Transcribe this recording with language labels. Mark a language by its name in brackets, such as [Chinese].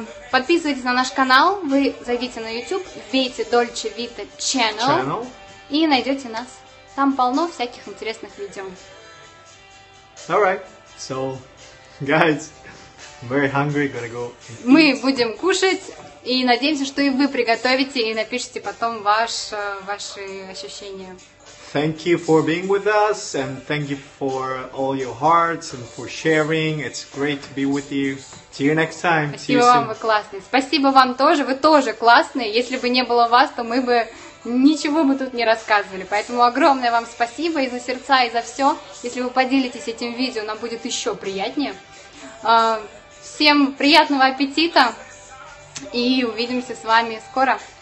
[Russian] Подписывайтесь на наш канал. Вы зайдите на YouTube, вбейте Dolce Vita channel, и найдете нас. Там полно всяких интересных видео. [English] All right. So, guys. Very hungry, gotta go. [Russian] Мы будем кушать и надеемся, что и вы приготовите и напишите потом ваши ощущения. [English] Thank you for being with us and thank you for all your hearts and for sharing. It's great to be with you. See you next time. [Russian] Спасибо [English] See you [Russian] вам, [English] soon. [Russian] Вы классные. Спасибо вам тоже, вы тоже классные. Если бы не было вас, то мы бы ничего бы тут не рассказывали. Поэтому огромное вам спасибо и за сердца, и за все. Если вы поделитесь этим видео, нам будет еще приятнее. Всем приятного аппетита и увидимся с вами скоро.